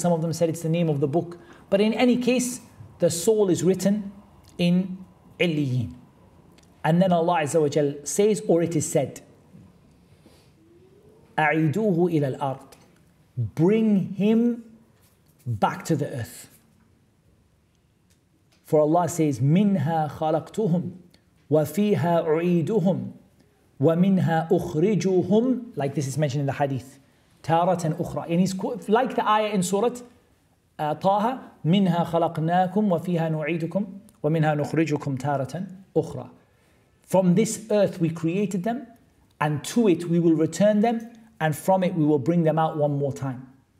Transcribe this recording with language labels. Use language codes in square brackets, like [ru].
[en] Some of them said it's the name of the book. But in any case, the soul is written in عِلِّيِّين. And then Allah Azza wa Jalla says, or it is said, [ar] أَعِيدُوهُ إِلَى الْأَرْضِ. [en] Bring him back to the earth. For Allah says, [ar] مِنْهَا خَلَقْتُهُمْ وَفِيهَا أُعِيدُهُمْ وَمِنْهَا أُخْرِجُهُمْ. [en] Like this is mentioned in the hadith. [ar] تَارَةً أُخْرَى. [en] And he's like the ayah in Surah Taha, [ar] مِنْهَا خَلَقْنَاكُمْ وَفِيهَا نُعِيدُكُمْ وَمِنْهَا نُخْرِجُكُمْ تَارَةً أُخْرَى. [en] From this earth we created them, and to it we will return them, and from it we will bring them out one more time.